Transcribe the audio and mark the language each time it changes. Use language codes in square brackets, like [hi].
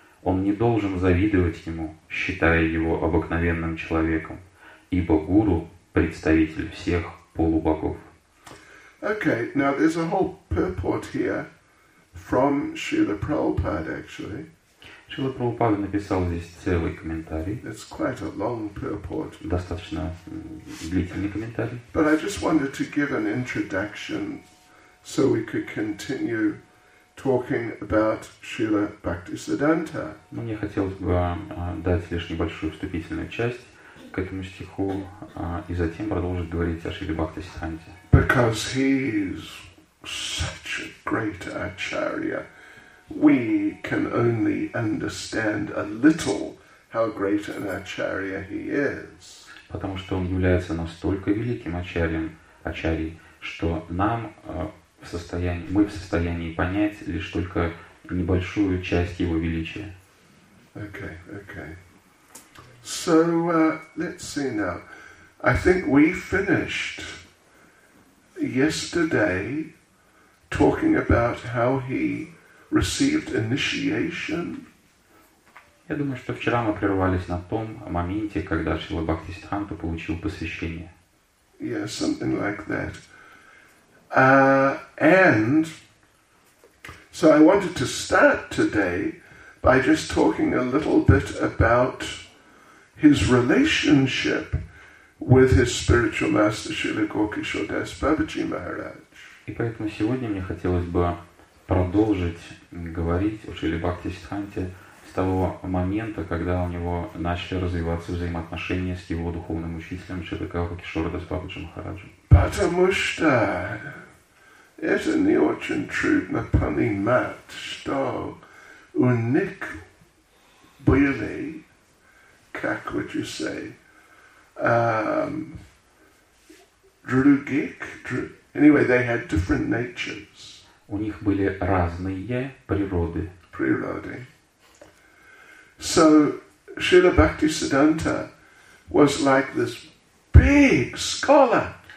[ru] Он не должен завидовать ему, считая его обыкновенным человеком, ибо гуру представитель всех полубогов. [en] Okay, now there's a whole purport here from Srila Prabhupada, actually. [ru] Srila Prabhupada написал здесь целый комментарий. [en] It's quite a long purport. [ru] Достаточно длительный комментарий. [en] But I just wanted to give an introduction so we could continue talking about Srila Bhaktisiddhanta. [ru] Мне хотелось бы дать лишь небольшую вступительную часть к этому стиху, и затем продолжить говорить о Шри Бхакти Сиддханте. [en] Because he is such a great acharya, we can only understand a little how great an acharya he is. [ru] Потому что он является настолько великим ачарьем, ачарьей, что нам в состоянии, мы в состоянии понять лишь только небольшую часть его величия. [en] Okay, okay. So, let's see now. I think we finished yesterday talking about how he received initiation. [ru] Я думаю, что вчера мы прервались на том моменте, когда Шрила Бхактисиддханта получил посвящение. [en] Yeah, something like that. And so I wanted to start today by just talking a little bit about his relationship with his spiritual master Srila Gaur Kishore Das Babaji Maharaj. [ru] И поэтому сегодня мне хотелось бы продолжить говорить о Шриле Бхактисиддханте с того момента, когда у него начали развиваться взаимоотношения с его духовным учителем Шрила Гаур Кишора Дас Бабаджи Махараджем. Потому что это не очень трудно понимать, что у них были, как [en] would you say, drugik, anyway, they had different natures. [ru] У них были разные природы. Природы. [en] So, Srila Bhaktisiddhanta was like this big scholar.